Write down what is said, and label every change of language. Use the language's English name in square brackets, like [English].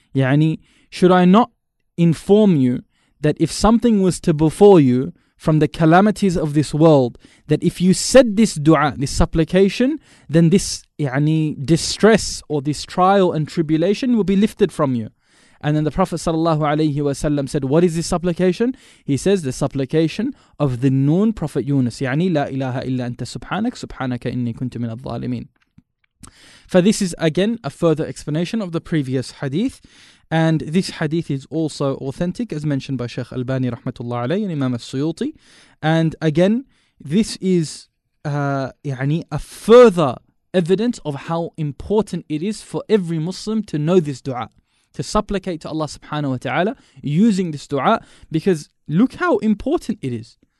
[English] يعني, should I not inform you that if something was to befall you from the calamities of this world, that if you said this dua, this supplication, then this يعني, distress or this trial and tribulation will be lifted from you. And then the Prophet sallallahu alayhi wa sallam said, what is this supplication? He says, the supplication of the noon Prophet Yunus. [Arabic] يعني لا إله إلا أنت سبحانك سبحانك إني كنت من الظالمين. [English] For this is again a further explanation of the previous hadith. And this hadith is also authentic, as mentioned by Sheikh Albani rahmatullah alayhi and Imam al-Suyuti. And again, this is a further evidence of how important it is for every Muslim to know this dua, to supplicate to Allah subhanahu wa ta'ala using this dua, because look how important it is.